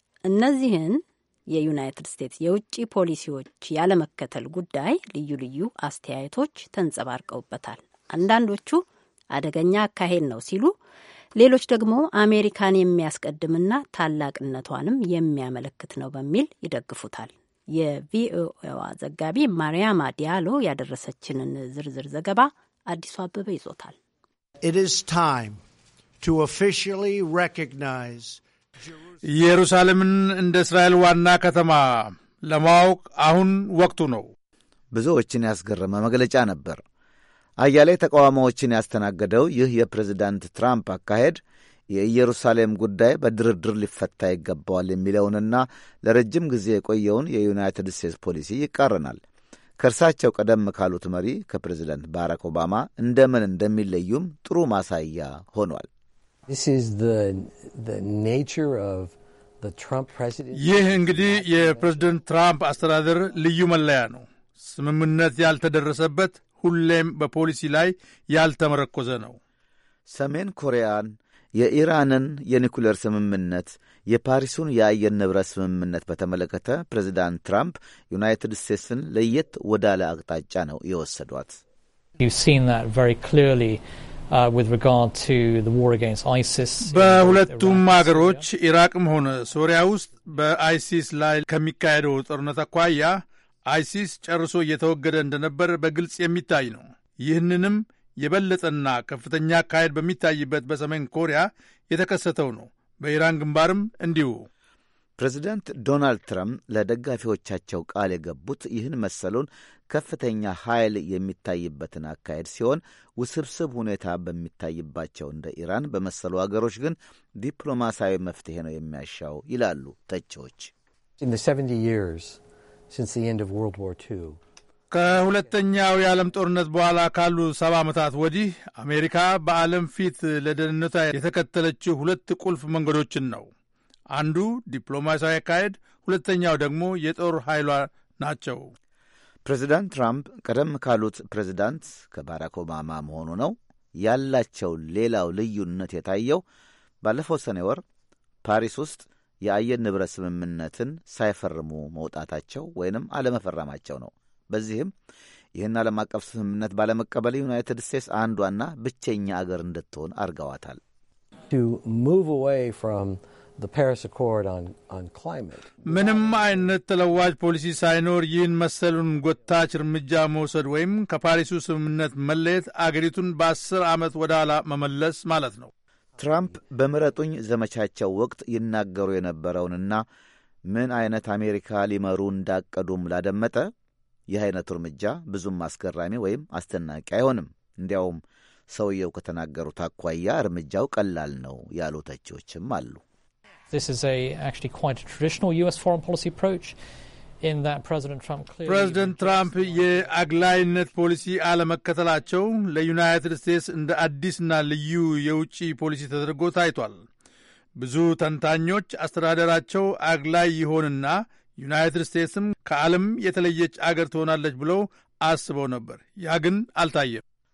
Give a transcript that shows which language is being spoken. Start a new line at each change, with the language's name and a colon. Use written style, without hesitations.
Amharic: እነዚህን የዩናይትድ ስቴትስ የውጭ ፖሊሲዎች ያለመከተል ጉዳይ ልዩ ልዩ አስተያየቶች ተንጸባርቀውበታል። አንዳንዶቹ አደገኛ አካሄድ ነው ሲሉ፣ ሌሎች ደግሞ አሜሪካን የሚያስቀድምና ታላቅነቷንም የሚያመለክት ነው በሚል ይደግፉታል። የቪኦኤዋ ዘጋቢ ማርያማ ዲያሎ ያደረሰችንን ዝርዝር ዘገባ አዲሱ አበበ ይዞታል።
English: It is time to officially recognize
Amharic: ኢየሩሳሌምን እንደ እስራኤል ዋና ከተማ ለማወቅ አሁን ወቅቱ ነው። ብዙዎችን ያስገረመ መግለጫ ነበር። አያሌ ተቃዋሚዎችን ያስተናገደው ይህ የፕሬዝዳንት ትራምፕ አካሄድ የኢየሩሳሌም ጉዳይ በድርድር ሊፈታ ይገባዋል የሚለውንና ለረጅም ጊዜ የቆየውን የዩናይትድ ስቴትስ ፖሊሲ ይቃረናል። ከእርሳቸው ቀደም ካሉት መሪ ከፕሬዝዳንት ባራክ ኦባማ እንደምን እንደሚለዩም ጥሩ ማሳያ ሆኗል።
English: This is the nature of the Trump presidency.
Amharic: ይህ እንግዲህ የፕሬዝዳንት ትራምፕ አስተዳደር ልዩ መለያ ነው። ስምምነት ያልተደረሰበት ሁሌም በፖሊሲ ላይ ያልተመረኮዘ ነው። ሰሜን ኮሪያን፣ የኢራንን የኒኩሌር ስምምነት፣ የፓሪሱን የአየር ንብረት ስምምነት በተመለከተ ፕሬዝዳንት ትራምፕ ዩናይትድ ስቴትስን ለየት ወዳለ አቅጣጫ ነው የወሰዷት።
English: You've seen that very clearly with regard to the war against ISIS.
Amharic: በሁለቱም አገሮች ኢራቅም ሆነ ሶሪያ ውስጥ በአይሲስ ላይ ከሚካሄደው ጦርነት አኳያ አይሲስ ጨርሶ እየተወገደ እንደነበር በግልጽ የሚታይ ነው። ይህንንም የበለጠና ከፍተኛ ካይድ በሚታይበት በሰሜን ኮሪያ የተከሰተው ነው። በኢራን ግንባርም እንዲሁ። ፕሬዚዳንት ዶናልድ ትራምፕ ለደጋፊዎቻቸው ቃል የገቡት ይህን መሰሉን ከፍተኛ ኃይል የሚታይበትን አካሄድ ሲሆን፣ ውስብስብ ሁኔታ በሚታይባቸው እንደ ኢራን በመሰሉ አገሮች ግን ዲፕሎማሲያዊ መፍትሄ ነው የሚያሻው ይላሉ ተቺዎች።
English: In the 70 years since the end of World War II.
Amharic: ከሁለተኛው የዓለም ጦርነት በኋላ ካሉ 70 ዓመታት ወዲህ አሜሪካ በዓለም ፊት ለደህንነቷ የተከተለችው ሁለት ቁልፍ መንገዶችን ነው። አንዱ ዲፕሎማሲያዊ አካሄድ፣ ሁለተኛው ደግሞ የጦር ኃይሏ ናቸው። ፕሬዚዳንት ትራምፕ ቀደም ካሉት ፕሬዚዳንት ከባራክ ኦባማ መሆኑ ነው ያላቸው ሌላው ልዩነት የታየው ባለፈው ሰኔ ወር ፓሪስ ውስጥ የአየር ንብረት ስምምነትን ሳይፈርሙ መውጣታቸው ወይንም አለመፈረማቸው ነው። በዚህም ይህን ዓለም አቀፍ ስምምነት ባለመቀበል ዩናይትድ ስቴትስ አንዷና ብቸኛ አገር እንድትሆን አርጋዋታል።
English: To move away from the Paris Accord on climate.
Amharic: ምንም አይነት ተለዋጭ ፖሊሲ ሳይኖር ይህን መሰሉን ጎታች እርምጃ መውሰድ ወይም ከፓሪሱ ስምምነት መለየት አገሪቱን በአስር ዓመት ወደኋላ መመለስ ማለት ነው። ትራምፕ በምረጡኝ ዘመቻቸው ወቅት ይናገሩ የነበረውንና ምን አይነት አሜሪካ ሊመሩ እንዳቀዱም ላደመጠ ይህ አይነቱ እርምጃ ብዙም አስገራሚ ወይም አስተናቂ አይሆንም። እንዲያውም ሰውየው ከተናገሩት አቋያ እርምጃው ቀላል ነው ያሉታቸውም አሉ።
English: This is actually quite a traditional US foreign policy approach in that President Trump clearly
Amharic: President Trump የአግላይነት ፖሊሲ አለመከተላቸው ለዩናይትድ ስቴትስ እንደ አዲስና ልዩ የውጪ ፖሊሲ ተደርጎ ታይቷል። ብዙ ተንታኞች አስተዳደራቸው አግላይ ይሆንና ዩናይትድ ስቴትስም ከዓለም የተለየች አገር ትሆናለች ብለው አስበው ነበር። ያ ግን አልታየም።